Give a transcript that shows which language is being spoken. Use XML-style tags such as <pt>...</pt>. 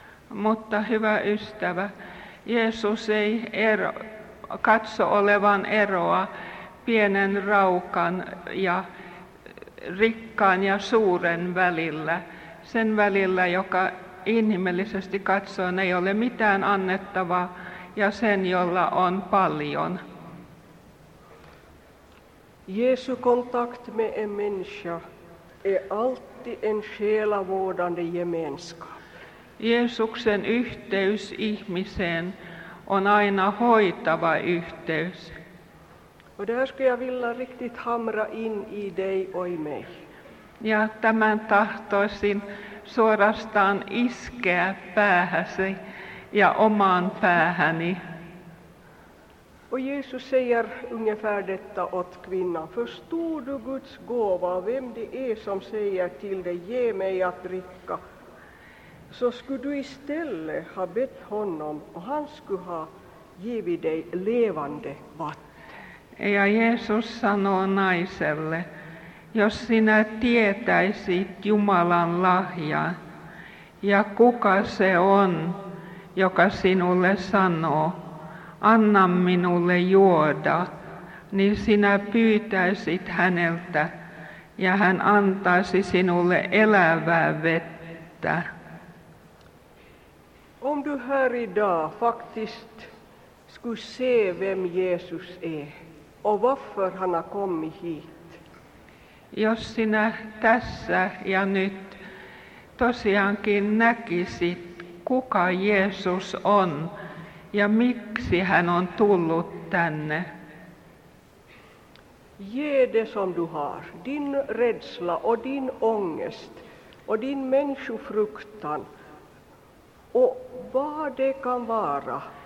<fi>Mutta hyvä ystävä, Jeesus ei katso olevan eroa pienen raukan ja rikkaan ja suuren välillä. Sen välillä, joka inhimillisesti katsoen ei ole mitään annettavaa, ja sen, jolla on paljon.</fi> <sv>Jesu kontakt med en människa är alltid en själavårdande gemenskap.</sv> <fi>Jeesuksen yhteys ihmiseen on aina hoitava yhteys.</fi> <sv>Och det här skulle jag vilja riktigt hamra in i dig och i mig.</sv> <fi>Ja tämän tahtoisin suorastaan iskeä päähäsi ja omaan päähäni.</fi> <sv>Och Jesus säger ungefär detta åt kvinnan. Förstod du Guds gåva, vem det är som säger till dig, ge mig att dricka. Så skulle du istället ha bett honom och han skulle ha givit dig levande vatten.</sv> <fi>Ja Jeesus sanoo naiselle. Jos sinä tietäisit Jumalan lahjaa ja kuka se on, joka sinulle sanoo, anna minulle juoda, niin sinä pyytäisit häneltä ja hän antaisi sinulle elävää vettä.</fi> <sv>Om du här idag faktiskt skulle se vem Jesus är och varför han har kommit hit.</sv> <fi>Jos sinä tässä ja nyt tosiaankin näkisit, kuka Jeesus on ja miksi hän on tullut tänne.</fi> <sv>Ge det som du har, din rädsla och din ångest och din människofruktan och vad det kan vara.</sv>